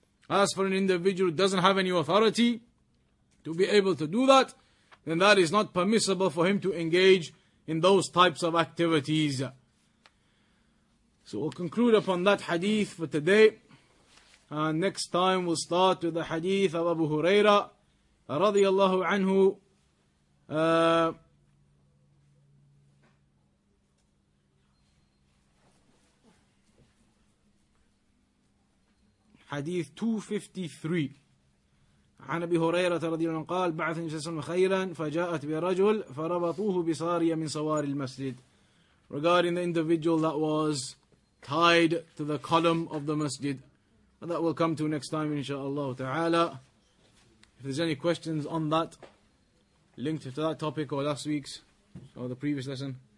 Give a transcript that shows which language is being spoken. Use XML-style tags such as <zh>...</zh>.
<en>As for an individual who doesn't have any authority to be able to do that, then that is not permissible for him to engage in those types of activities. So we'll conclude upon that hadith for today. And next time we'll start with the hadith of Abu Huraira radiallahu anhu.</en> <ar>حديث 253 عن أبي هريرة رضي الله عنه قال بعث النبي صلى الله عليه وسلم خيرا فجاءت برجل فربطوه بصارية من صوار المسجد.</ar> <en>Regarding the individual that was tied to the column of the masjid, and that will come to next time inshallah ta'ala. If there's any questions on that, linked to that topic or last week's or the previous lesson.</en>